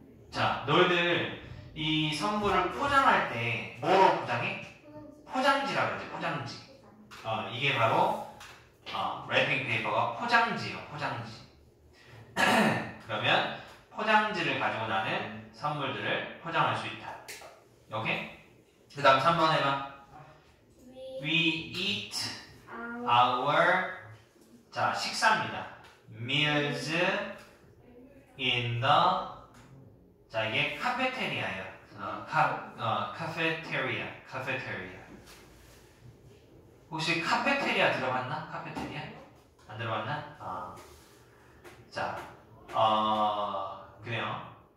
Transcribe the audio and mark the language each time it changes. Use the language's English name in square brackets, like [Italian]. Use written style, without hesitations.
[Korean] 자, 너희들 이 선물을 포장할 때 뭐로 포장해? 포장지라고 그러지, 포장지. 어, 이게 바로 랩핑 페이퍼가 포장지예요, 포장지. 그러면 포장지를 가지고 나는 선물들을 포장할 수 있다. 오케이? 그 다음 3번 해봐. [English] We eat our [Korean] 자 식사입니다. [English] Meals in the [Korean] 자 이게 카페테리아예요. 어, 카, 어, 카페테리아 카페테리아 혹시 카페테리아 들어봤나? 카페테리아? 안 들어봤나? 어. 자 어, 그래요.